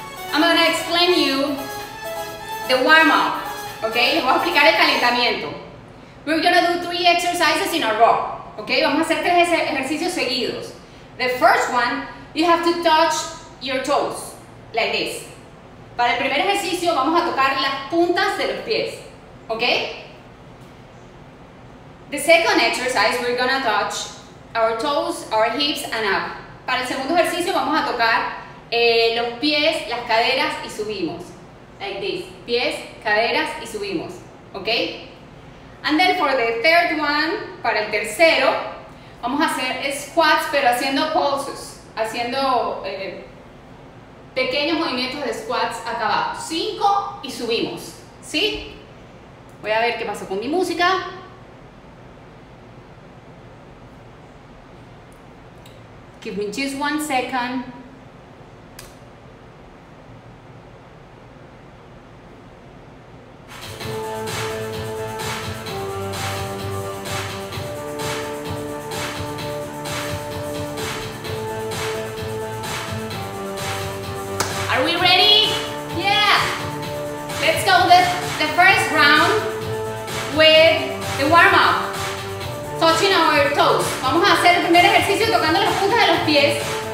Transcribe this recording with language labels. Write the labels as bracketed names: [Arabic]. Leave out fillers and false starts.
[English] I'm gonna explain you the warm up, okay? [Spanish] Les voy a explicar el calentamiento. [English] We're gonna do 3 exercises in a row, okay? [Spanish] Vamos a hacer 3 ejercicios seguidos. [English] The first one, you have to touch your toes, like this. [Spanish] Para el primer ejercicio, vamos a tocar las puntas de los pies, okay? [English] The second exercise, we're gonna touch our toes, our hips, and up. [Spanish] Para el segundo ejercicio, vamos a tocar los pies, las caderas, y subimos. [English] Like this. [Spanish] Pies, caderas, y subimos. Okay? [English] And then for the third one, [Spanish] para el tercero, vamos a hacer squats, pero haciendo pulses. Haciendo pequeños movimientos de squats acá abajo. 5 y subimos. ¿Sí? Voy a ver qué pasó con mi música. [English] Give me just 1 second. Are we ready? Yeah! Let's go with the first round with the warm-up. Touching our toes. [Spanish] Vamos a hacer el primer ejercicio tocando las puntas de los pies.